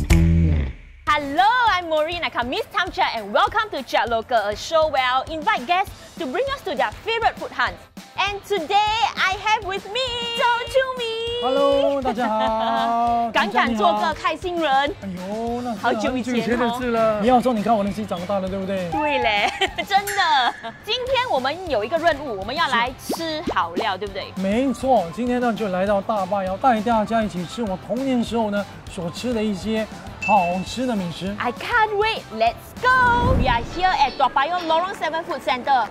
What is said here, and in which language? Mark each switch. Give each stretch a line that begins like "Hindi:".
English: Heck, I'm Miss Tam Chia, and welcome to Chiak Local, a show where I'll invite guests to bring us to their favorite food hunts. And today, I have with me... Chow Chew Me! Hello,
Chinese: 大家好。敢敢做个开心人。哎呦，那是啊，好久以前啊。你要说你看我那些长大的，对不对？对嘞，真的。今天我们有一个任务，我们要来吃好料，对不对？没错，今天呢就来到大坝，要带大家一起吃我童年时候呢所吃的一些好吃的美食。
English: I can't wait. Let's go. We are here at Toa Payoh Lorong 7 Food Center.